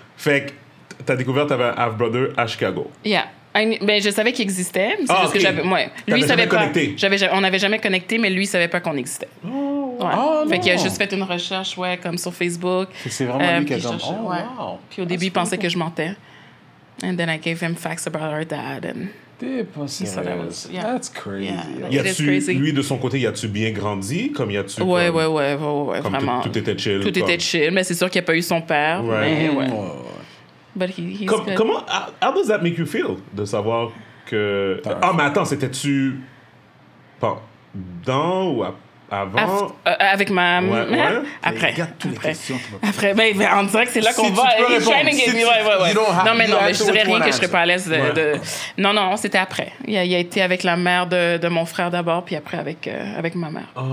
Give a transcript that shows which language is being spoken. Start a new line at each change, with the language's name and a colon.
French: Fait t'as découvert t'avais un half brother à Chicago. Yeah. Ben je savais qu'il existait. C'est parce que j'avais. Ouais. Lui savait pas. On n'avait jamais connecté, mais lui savait pas qu'on existait. Oh. Ouais. Oh non. Fait qu'il a juste fait une recherche, ouais, comme sur Facebook. C'est vraiment lui qui a demandé. Oh, ouais. Wow. Puis au début, il pensait que je mentais.
English: And then I gave him facts about our dad, and he said that was that's crazy. Yeah, it is crazy.
French: Lui de son côté, y a-tu bien grandi? Comme y a-tu? Ouais, comme, ouais, comme vraiment. Tout était chill. Tout comme... était chill, mais c'est sûr qu'il n'y a pas eu son père.
English: Right.
French: Mais ouais.
English: Oh. But he's
French: comme,
English: good.
French: Comment?
English: How does that make you feel
French: de savoir que? Ah, mais attends, c'était-tu pendant ou après? Avant avec ma après regarde toutes les questions après mais on dirait que c'est là qu'on va training game je dirais rien que je serais pas à l'aise de non c'était après il a été avec la mère de mon frère d'abord puis après avec ma mère.